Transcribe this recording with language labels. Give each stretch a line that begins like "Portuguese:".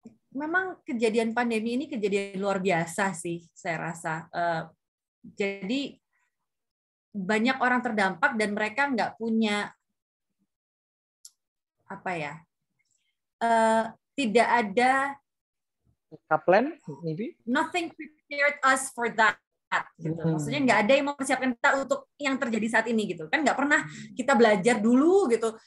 Indonesian: Memang kejadian pandemi ini kejadian luar biasa sih, saya rasa. Jadi banyak orang terdampak dan mereka nggak punya apa ya? Tidak ada
English: plan, maybe? Nothing prepared us for that.
Indonesian: Gitu. Maksudnya nggak ada yang mempersiapkan kita untuk yang terjadi saat ini gitu. Kan nggak pernah kita belajar dulu gitu.